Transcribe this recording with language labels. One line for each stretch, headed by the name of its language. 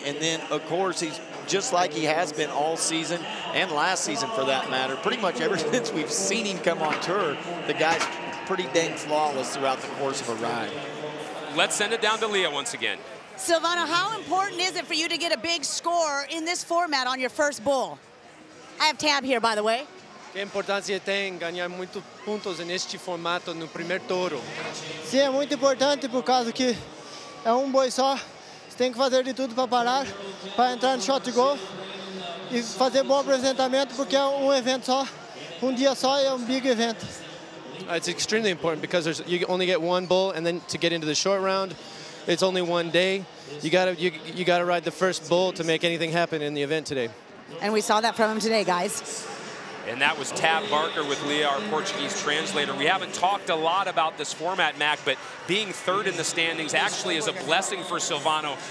English: And then, of course, he's just like he has been all season and last season for that matter. Pretty much ever since we've seen him come on tour, the guy's pretty dang flawless throughout the course of a ride. Let's send it down to Leah once again. Silvano, how important is it for you to get a big score in this format on your first bull? I have Tab here, by the way.
Portuguese: Che importanza tem ganhar muitos pontos neste formato no primeiro touro? Sim, é muito importante por causa que é um boi só. Você tem que fazer de tudo para parar, para entrar no shot goal e fazer bom apresentamento porque é um evento só, um dia só é um big evento.
English: It's extremely important because you only get one bull and then to get into the short round, it's only one day. You gotta ride the first bull to make anything happen in the event today. And we saw that from him today, guys. And that was Tab Barker with Leah, our Portuguese translator. We haven't talked a lot about this format, Mac, but being third in the standings actually is a blessing for Silvano.